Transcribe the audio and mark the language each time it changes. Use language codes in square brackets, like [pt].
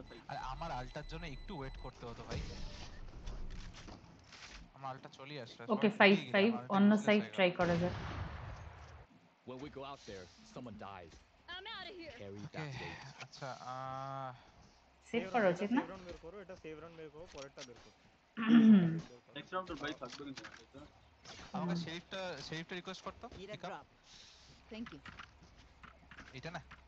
[bn] আরে আমার আল্টার জন্য একটু ওয়েট করতে হতো ভাই আমার আল্টা চলি আসছে ওকে 5 5 অন্য সাইড ট্রাই করা যাক [en] when we go out there someone dies I'm out of here [bn] আচ্ছা সেভ করো ঠিক না সেভ রান করো এটা সেভ রান বের করো পরেরটা বের করো নেক্সট রাউন্ডের বাই থাকবে না এটা আমাকে সেভটা সেভটা রিকোয়েস্ট করতে পিক আপ থ্যাংক ইউ এটা না